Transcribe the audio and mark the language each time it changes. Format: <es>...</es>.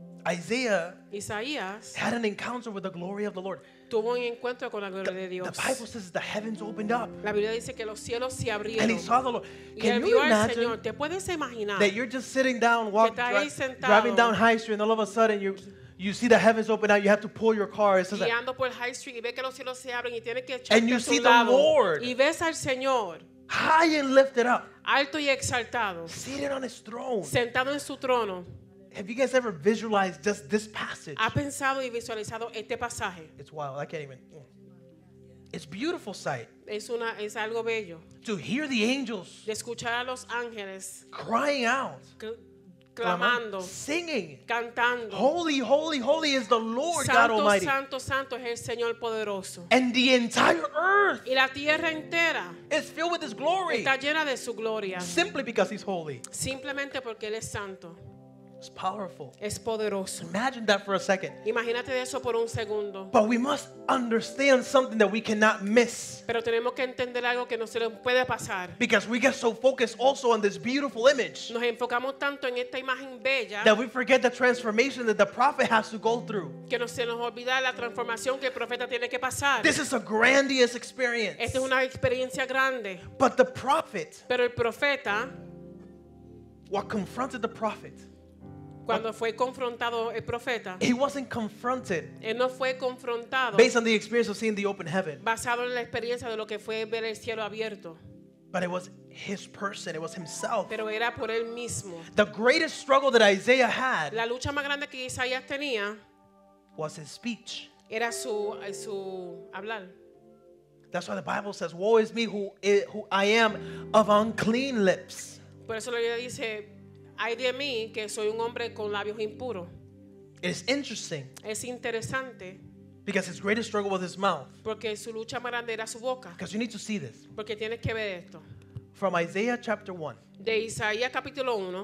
<en>Isaiah had an encounter with the glory of the Lord.</en> <es>Tuvo un encuentro con la gloria de Dios.</es> <en>The Bible says the heavens opened up.</en> <es>La Biblia dice que los cielos se abrieron.</es> <en>And he saw the Lord. Can</en> <es>y</es> <en>you imagine</en> <es>Señor,</es> <en>that you're just sitting down, driving down High Street, and all of a sudden you see the heavens open up, you have to pull your car.</en> <es>Guiando</es> <en>like,</en> <es>por High Street y ve que los cielos se abren y tiene que</es> <en>echar. And you see the Lord.</en> <es>Y ves al Señor.</es> <en>High and lifted up.</en> <es>Alto y exaltado.</es> <en>Seated on his throne.</en> <es>Sentado en su trono.</es> <en>Have you guys ever visualized just this passage?</en> <es>¿Ha pensado y visualizado este pasaje?</es> <en>It's wild. I can't even. It's beautiful sight.</en> <es>Es algo bello.</es> <en>To hear the angels.</en> <es>De escuchar a los ángeles.</es> <en>Crying out.</en> <es>Clamando.</es> <en>Singing.</en> <es>Cantando.</es> <en>Holy, holy, holy is the Lord</en> <es>Santo,</es> <en>God Almighty.</en> <es>Santo, Santo es el Señor poderoso.</es> <en>And the entire earth.</en> <es>Y la tierra entera.</es> <en>Is filled with his glory.</en> <es>Está llena de su gloria.</es> <en>Simply because he's holy.</en> <es>Simplemente porque él es santo.</es> <en>It's powerful.</en> <es>Es poderoso.</es> <en>Imagine that for a second.</en> <es>Imagínate eso por un segundo.</es> <en>But we must understand something that we cannot miss.</en> <es>Pero tenemos que entender algo que no se le puede pasar.</es> <en>Because we get so focused also on this beautiful image.</en> <es>Nos enfocamos tanto en esta imagen bella.</es> <en>That we forget the transformation that the prophet has to go through.</en> <es>Que no se nos olvida la transformación que el profeta tiene que pasar.</es> <en>This is a grandiose experience.</en> <es>Esta es una experiencia grande.</es> <en>But the prophet.</en> <es>Pero el profeta.</es> <en>What confronted the prophet.</en> <es>Cuando fue confrontado el profeta,</es> <en>he wasn't confronted.</en> <es>Él no fue confrontado.</es> <en>Based on the experience of seeing the open heaven.</en> <es>Basado en la experiencia de lo que fue ver el cielo abierto.</es> <en>But it was his person. It was himself.</en> <es>Pero era por él mismo.</es> <en>The greatest struggle that Isaiah had.</en> <es>La lucha más grande que Isaías tenía.</es> <en>Was his speech.</en> <es>Era su hablar.</es> <en>That's why the Bible says, "Woe is me who I am of unclean lips."</en> <es>Por eso la Biblia dice. Ay de mí que soy un hombre con labios impuros.</es> <en>It's interesting.</en> <es>Es interesante.</es> <en>Because his greatest struggle was his mouth.</en> <es>Porque su lucha más grande era su boca.</es> <en>Because you need to see this.</en> <es>Porque tienes que ver esto.</es> <en>From Isaiah chapter 1.</en> <es>De Isaías capítulo 1.</es>